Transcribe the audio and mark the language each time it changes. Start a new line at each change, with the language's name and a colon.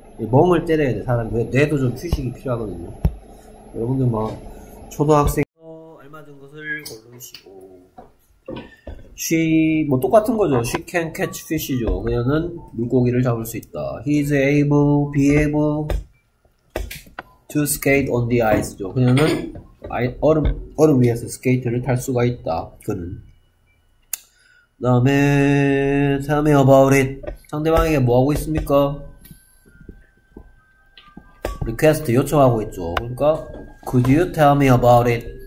Korean: 멍을 때려야 돼, 사람. 뇌도 좀 휴식이 필요하거든요. 여러분들 막 초등학생 알맞은 것을 고르시고.
English: She,
Korean: 뭐 똑같은 거죠.
English: She can catch fish죠.
Korean: 그녀는 물고기를 잡을 수 있다.
English: He's able, be able to skate on the ice죠.
Korean: 그녀는 얼음 위에서 스케이트를 탈 수가 있다. 그는. 그 다음에,
English: tell me about it.
Korean: 상대방에게 뭐 하고 있습니까?
English: request
Korean: 요청하고 있죠. 그러니까,
English: could you tell me about it?